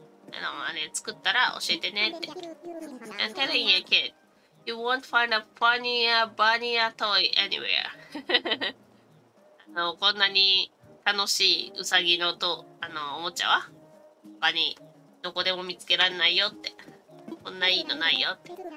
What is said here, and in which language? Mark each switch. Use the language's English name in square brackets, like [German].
[Japanese] あの、あれ作ったら教えてねって。 [English] I'm telling you, kid, you won't find a funnier bunnier toy anywhere. [Japanese] あの、こんなに楽しいウサギのと、あの、おもちゃは他にどこでも見つけられないよって。こんないいのないよって。